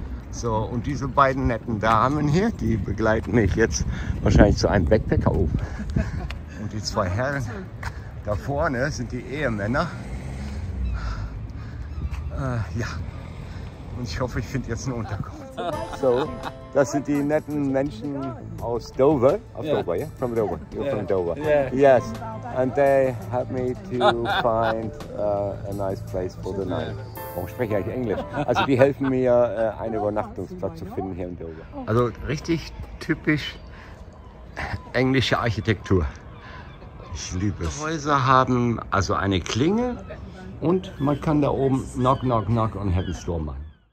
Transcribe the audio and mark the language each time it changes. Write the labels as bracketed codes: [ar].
[de] So, und diese beiden netten Damen hier, die begleiten mich jetzt wahrscheinlich zu einem Backpacker oben. Und die zwei Herren da vorne sind die Ehemänner. Ja, und ich hoffe, ich finde jetzt eine Unterkunft. So, das sind die netten Menschen aus Dover. Aus Dover, [en] yeah? From Dover. You're from Dover. Yeah. Yes. And they helped me to find a nice place for the night. [de] Warum spreche ich eigentlich Englisch? Also die helfen mir, einen Übernachtungsplatz zu finden hier in Dover. Also richtig typisch englische Architektur. Ich liebe es. Die Häuser haben also eine Klinge und man kann da oben [en] knock, knock, knock [de] und Heaven's Door machen.